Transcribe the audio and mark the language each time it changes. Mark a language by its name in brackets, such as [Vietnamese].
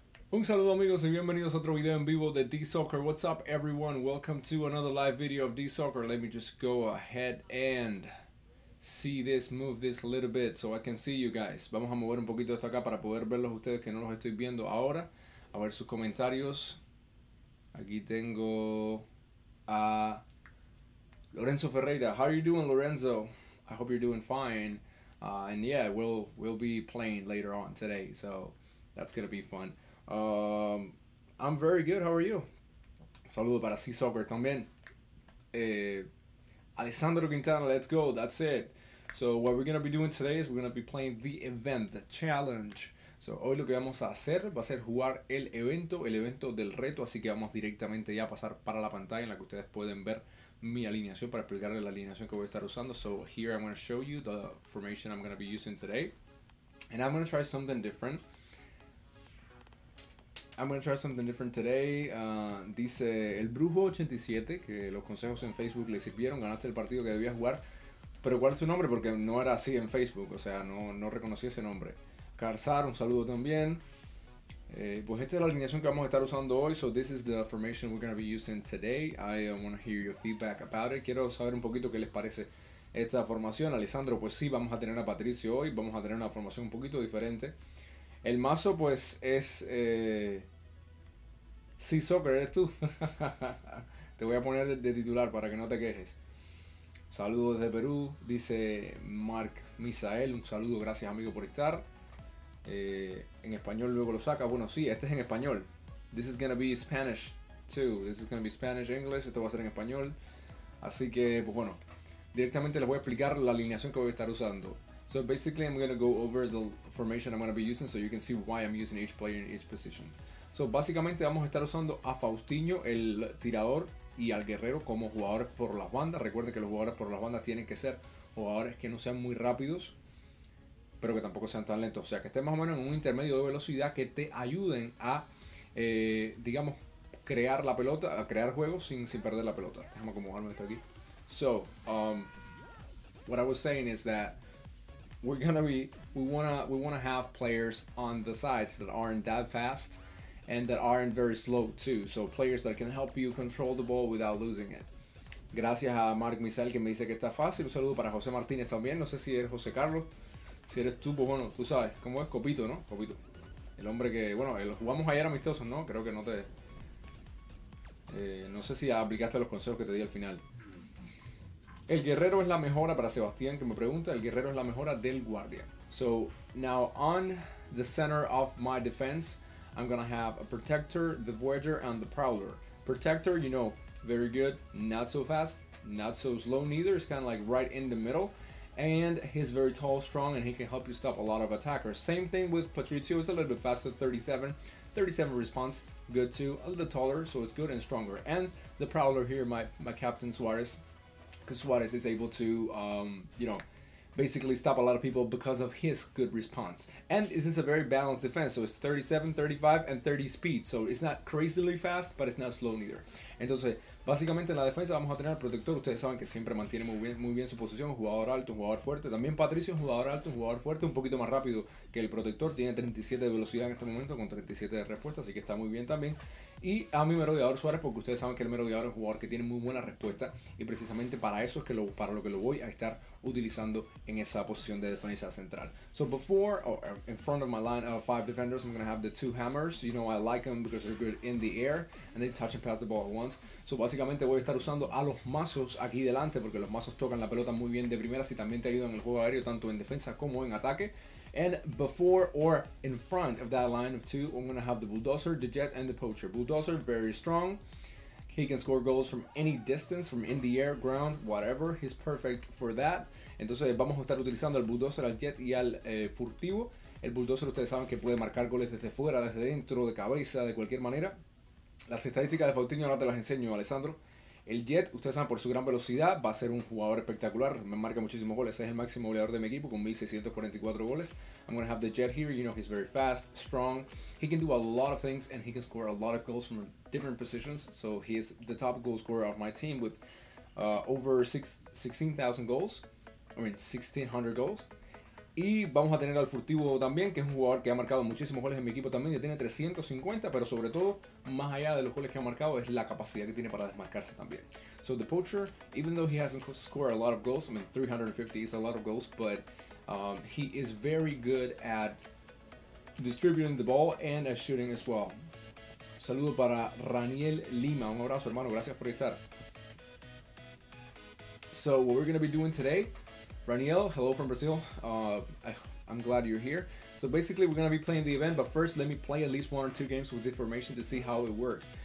[Spanish] Un saludo amigos y bienvenidos a otro video en vivo de D-Soccer. [English] What's up everyone? Welcome to another live video of D-Soccer. Let me just go ahead and see this, move this a little bit so I can see you guys. [Spanish] Vamos a mover un poquito esto acá para poder verlos ustedes que no los estoy viendo ahora. A ver sus comentarios. Aquí tengo a Lorenzo Ferreira. [English] How are you doing, Lorenzo? I hope you're doing fine. And yeah, we'll be playing later on today, so that's gonna be fun. I'm very good, how are you? [Spanish] Saludo para C-Soccer también. [English] Alessandro Quintana, let's go, that's it. So what we're gonna be doing today is we're gonna be playing the event, the challenge. [Spanish] So hoy lo que vamos a hacer va a ser jugar el evento del reto, así que vamos directamente ya a pasar para la pantalla en la que ustedes pueden ver mi alineación para explicarle la alineación que voy a estar usando. [English] So here I'm gonna show you the formation I'm gonna be using today. And I'm gonna try something different. I'm going to try something different today. [Spanish] Dice el brujo 87 que los consejos en Facebook le sirvieron, ganaste el partido que debías jugar. Pero ¿cuál es su nombre? Porque no era así en Facebook, o sea, no reconocí ese nombre. Carzar, un saludo también. Pues esta es la alineación que vamos a estar usando hoy. [English] So this is the formation we're going to be using today. I want to hear your feedback about it. [Spanish] Quiero saber un poquito qué les parece esta formación. Alessandro, pues sí, vamos a tener a Patricio hoy, vamos a tener una formación un poquito diferente. El mazo, pues, es C-Soccer, eres tú. Te voy a poner de titular para que no te quejes. Saludos desde Perú, dice Mark Misael. Un saludo, gracias amigo por estar. En español luego lo saca. Bueno, sí, este es en español. [English] This is gonna be Spanish, too. This is gonna be Spanish, English. [Spanish] Esto va a ser en español. Así que, pues bueno, directamente les voy a explicar la alineación que voy a estar usando. [English] So basically, I'm gonna go over the formation I'm gonna be using so you can see why I'm using each player in each position. [Spanish] So básicamente vamos a estar usando a Faustinho, el tirador, y al guerrero como jugadores por las bandas. Recuerden que los jugadores por las bandas tienen que ser jugadores que no sean muy rápidos, pero que tampoco sean tan lentos. O sea, que estén más o menos en un intermedio de velocidad que te ayuden a, digamos, crear la pelota, a crear juego sin perder la pelota. Déjame acomodarme esto aquí. [English] So, what I was saying is that we wanna have players on the sides that aren't that fast and that aren't very slow too. So players that can help you control the ball without losing it. [Spanish] Gracias a Mark Misael que me dice que está fácil. Un saludo para José Martínez también. No sé si eres José Carlos. Si eres tú, pues bueno, tú sabes cómo es Copito, ¿no? Copito. El hombre que, bueno, jugamos ayer amistosos, ¿no? Creo que no te... no sé si aplicaste los consejos que te di al final. El guerrero es la mejora para Sebastián que me pregunta. El guerrero es la mejora del guardia. [English] So now on the center of my defense, I'm gonna have a protector, the voyager, and the prowler. Protector, you know, very good, not so fast, not so slow neither. It's kind of like right in the middle, and he's very tall, strong, and he can help you stop a lot of attackers. Same thing with Patricio. It's a little bit faster, 37 response, good too. A little taller, so it's good and stronger. And the prowler here, my captain Suarez. Because Suarez is able to, you know, basically stop a lot of people because of his good response. And this is a very balanced defense, so it's 37, 35, and 30 speed. So it's not crazily fast, but it's not slow neither. [Spanish] Entonces, básicamente en la defensa vamos a tener al protector. Ustedes saben que siempre mantiene muy bien su posición. Un jugador alto, un jugador fuerte. También Patricio es un jugador alto, un jugador fuerte. Un poquito más rápido que el protector. Tiene 37 de velocidad en este momento con 37 de respuesta. Así que está muy bien también. Y a mi merodeador Suárez, porque ustedes saben que el merodeador es un jugador que tiene muy buena respuesta. Y precisamente para eso es que para lo que lo voy a estar utilizando en esa posición de defensa central. [English] So before, in front of my line of five defenders, I'm going to have the two hammers. You know, I like them because they're good in the air. And they touch and pass the ball at once. [Spanish] So básicamente voy a estar usando a los mazos aquí delante, porque los mazos tocan la pelota muy bien de primeras y también te ayudan en el juego aéreo, tanto en defensa como en ataque. [English] And before or in front of that line of two, I'm going to have the Bulldozer, the Jet, and the Poacher. Bulldozer, very strong. He can score goals from any distance, from in the air, ground, whatever. He's perfect for that. [Spanish] Entonces vamos a estar utilizando al Bulldozer, al Jet y al Furtivo. El Bulldozer, ustedes saben que puede marcar goles desde fuera, desde dentro, de cabeza, de cualquier manera. Las estadísticas de Faustinho ahora te las enseño, Alessandro. El Jet, ustedes saben, por su gran velocidad, va a ser un jugador espectacular. Me marca muchísimos goles. Es el máximo goleador de mi equipo con 1,644 goles. [English] I'm going to have the Jet here. You know, he's very fast, strong. He can do a lot of things and he can score a lot of goals from different positions. So he is the top goal scorer of my team with over 16,000 goals. I mean, 1,600 goals. [Spanish] Y vamos a tener al Furtivo también, que es un jugador que ha marcado muchísimos goles en mi equipo también, ya tiene 350, pero sobre todo, más allá de los goles que ha marcado, es la capacidad que tiene para desmarcarse también. [English] So the Poacher, even though he hasn't scored a lot of goals, I mean 350 is a lot of goals, but he is very good at distributing the ball and at shooting as well. [Spanish] Saludo para Raniel Lima, un abrazo hermano, gracias por estar. [English] So what we're going to be doing today, Raniel, hello from Brazil. I'm glad you're here. So basically we're going to be playing the event, but first let me play at least one or two games with information to see how it works.